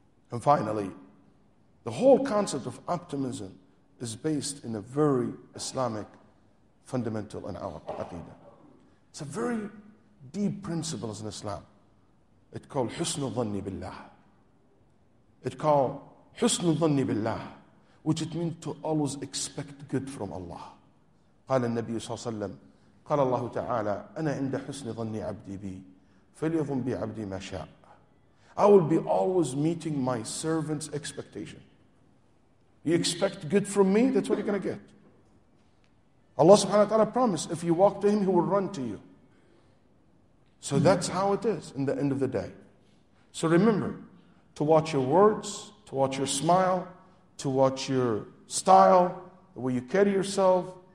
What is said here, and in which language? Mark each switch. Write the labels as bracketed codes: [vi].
[en] And finally, the whole concept of optimism is based in a very Islamic fundamental in our aqidah. It's a very deep principles in Islam. It's called Husnul Dhanni Billah. It's called Husnul Dhanni Billah, which it means to always expect good from Allah. [ar] قال النبي صلى الله عليه وسلم قال الله تعالى أنا عند حسن ظني عبدي بي فليظن بي عبدي ما شاء. [en] I will be always meeting my servant's expectation. You expect good from me, that's what you're going to get. Allah subhanahu wa ta'ala promised, if you walk to him, he will run to you. So that's how it is in the end of the day. So remember, to watch your words, to watch your smile, to watch your style, the way you carry yourself.